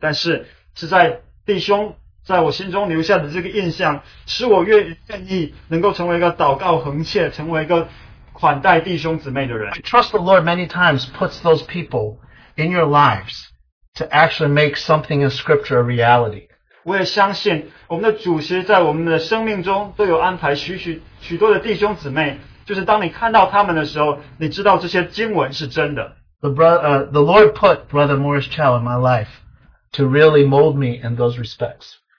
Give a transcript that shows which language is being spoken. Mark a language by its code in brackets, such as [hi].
[zh] 并不是说我能够与他相比，但是是在弟兄。在我心中留下的这个印象，使我越愿意能够成为一个祷告恒切，成为一个款待弟兄姊妹的人。 [en] I trust the Lord many times puts those people in your lives to actually make something in Scripture a reality. [zh] 我也相信，我们的主其实，在我们的生命中都有安排许多的弟兄姊妹，就是当你看到他们的时候，你知道这些经文是真的。 [en] The the Lord put Brother Morris Chow in my life to really mold me in those respects.